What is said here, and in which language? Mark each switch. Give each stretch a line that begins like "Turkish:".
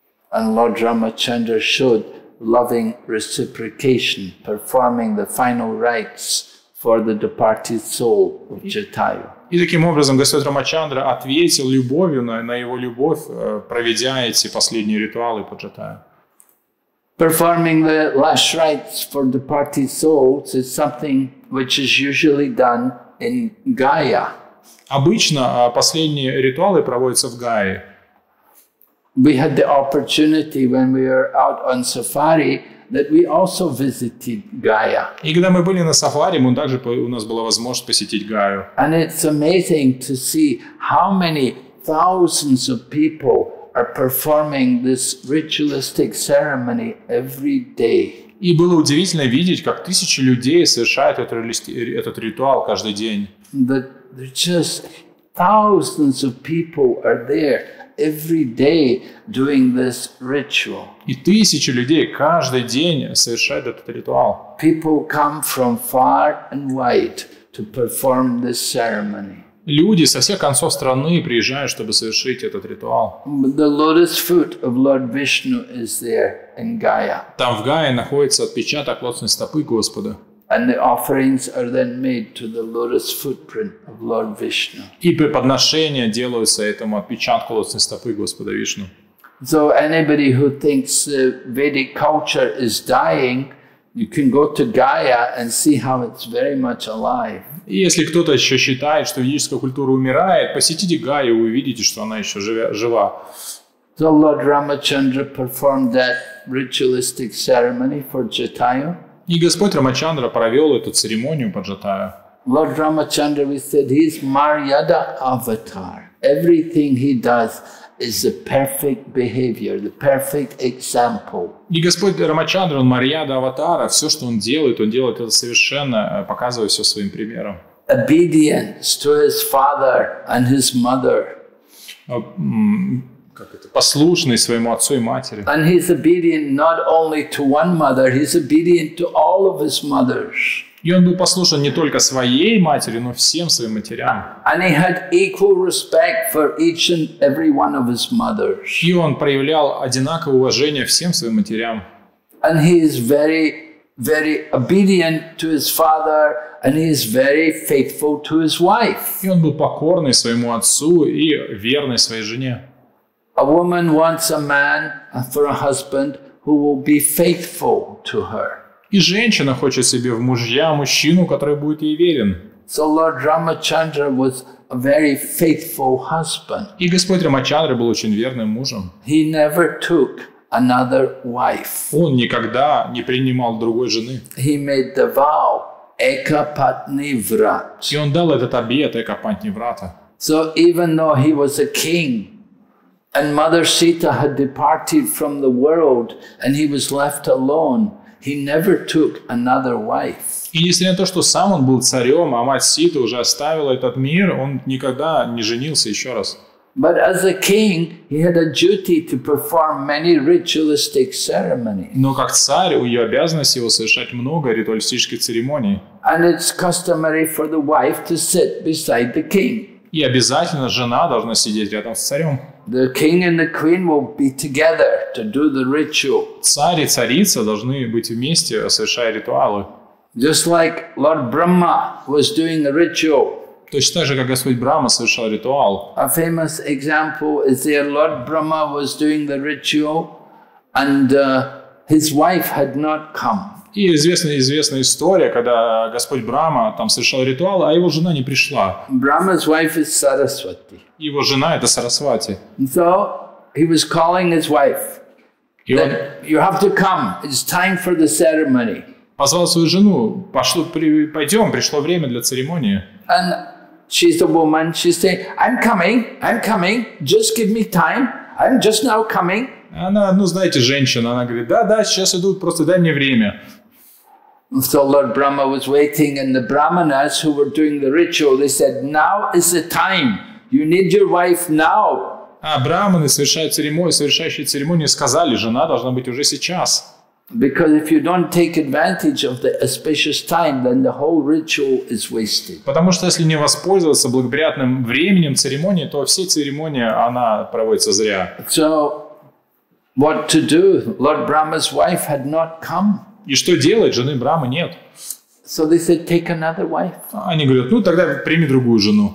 English: And Lord Ramachandra showed loving reciprocation, performing the final rites for the departed soul of Jatayu.
Russian: И таким образом Господь Рамачандра ответил любовью на его любовь, проведя эти последние ритуалы по Джатаю.
English: Performing the last rites for departed souls is something which is usually done in Gaia.
Russian: Обычно последние ритуалы проводятся в Гае.
English: We had the opportunity when we were out on safari that we also visited Gaia.
Russian: И когда мы были на сафари, мы также у нас была возможность посетить Гаю.
English: And it's amazing to see how many thousands of people are performing this ritualistic ceremony every day.
Russian: И было удивительно видеть, как тысячи людей совершают этот ритуал каждый день.
English: That just thousands of people are there every day doing this ritual.
Russian: И тысячи людей каждый день совершают этот ритуал.
English: People come from far and wide to perform this ceremony.
Russian: Люди со всех концов страны приезжают, чтобы совершить этот ритуал.
English: The lotus foot of Lord Vishnu is there in Gaya.
Russian: Там в Гае находится отпечаток лотосной стопы Господа.
English: And the offerings are then made to the lotus footprint of Lord Vishnu.
Russian: И преподношения делаются этому отпечатку лотосной стопы Господа Вишну.
English: So anybody who thinks Vedic culture is dying, you can go to Gaya and see how it's very much alive.
Russian: И если кто-то еще считает, что ведическая культура умирает, посетите Гаю и увидите, что она еще жива.
English: So Lord Ramachandra performed that ritualistic ceremony for Jatayu.
Russian: И Господь Рамачандра провел эту церемонию по Джатаю.
English: Lord Ramachandra, we said, he's Maryada avatar. Everything he does is the perfect behavior, the perfect example.
Russian: И Господь Рамачандра, он Марьяда Аватара, все, что он делает это совершенно, показывая все своим примером.
English: Obedience to his father and his mother.
Russian: Как это? Послушный своему отцу и матери.
English: And he's obedient not only to one mother, he's obedient to all of his mothers.
Russian: И он был послушен не только своей матери, но всем своим матерям.
English: And he had equal respect for each and every one of his mothers.
Russian: И он проявлял одинаковое уважение всем своим матерям.
English: And he is very, very obedient to his father, and he is very faithful to his wife.
Russian: И он был покорный своему отцу и верный своей жене.
English: A woman wants a man for a husband who will be faithful to her.
Russian: И женщина хочет себе в мужья мужчину, который будет ей верен.
English: So Lord Ramachandra was a very faithful husband.
Russian: И Господь Рамачандра был очень верным мужем.
English: He never took another wife.
Russian: Он никогда не принимал другой жены.
English: He made the vow, ekapatni vrat.
Russian: И он дал этот обет, ekapatni vrata.
English: So even though he was a king, and Mother Sita had departed from the world, and he was left alone, he never took another wife.
Russian: И несмотря на то, что сам он был царем, а мать Сита уже оставила этот мир, он никогда не женился еще раз.
English: But as a king, he had a duty to perform many ritualistic ceremonies.
Russian: Но как царь, у его обязанность его совершать много ритуалистических церемоний.
English: And it's customary for the wife to sit beside the king.
Russian: И обязательно жена должна сидеть рядом с царем.
English: The king and the queen will be together to do the ritual.
Russian: Царь и царица должны быть вместе, совершая ритуалы.
English: Just like Lord Brahma was doing the ritual.
Russian: Точно так же, как Господь Брахма совершал ритуал.
English: A famous example is that Lord Brahma was doing the ritual, and his wife had not come.
Russian: И известная история, когда Господь Брахма там совершал ритуал, а его жена не пришла.
English: Brahma's wife is Saraswati.
Russian: Его жена это Сарасвати.
English: So he was calling his wife. You have to come. It's time for the ceremony.
Russian: Позвал свою жену. Пойдем, пришло время для церемонии.
English: And she's the woman. She's saying, I'm coming. I'm coming. Just give me time. I'm just now coming.
Russian: Она, ну знаете, женщина, она говорит, да, сейчас идут, просто дай мне время.
English: So Lord Brahma was waiting, and the brahmanas who were doing the ritual, they said, now is the time. You need your wife now.
Russian: А брахманы, совершающие церемонию, сказали, жена должна быть уже сейчас.
English: Because if you don't take advantage of the auspicious time, then the whole ritual is wasted.
Russian: Потому что если не воспользоваться благоприятным временем церемонии, то вся церемония, она проводится зря.
English: So, what to do? Lord Brahma's wife had not come.
Russian: И что делать? Жены Брахмы нет.
English: So they said, take another wife.
Russian: Они говорят, ну тогда прими другую жену.